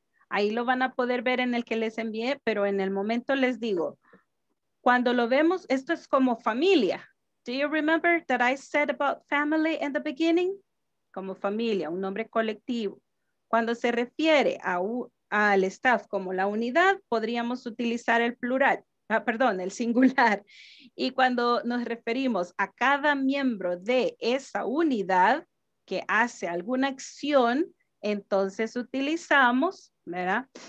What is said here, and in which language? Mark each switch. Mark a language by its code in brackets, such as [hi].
[es] Ahí lo van a poder ver en el que les envié, pero en el momento les digo, cuando lo vemos, esto es como familia. [en] Do you remember that I said about family in the beginning? [es] Como familia, un nombre colectivo. Cuando se refiere al staff como la unidad, podríamos utilizar el plural. Ah, perdón, el singular. Y cuando nos referimos a cada miembro de esa unidad que hace alguna acción, entonces utilizamos, ¿verdad?